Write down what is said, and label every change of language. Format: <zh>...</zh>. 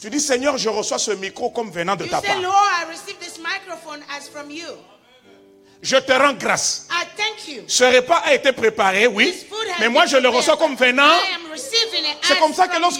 <fr>Tu dis, Seigneur, je reçois ce micro comme venant de</fr> <en>you</en> <fr>ta</fr> <en>say,</en> <fr>part.</fr> <en>Lord, I receive this microphone as from you.</en> <fr>Je te rends grâce.</fr> <en>I thank you.</en> <fr>Ce repas a été préparé, oui. Mais moi, je le reçois comme venant. C'est comme ça que lorsque</fr>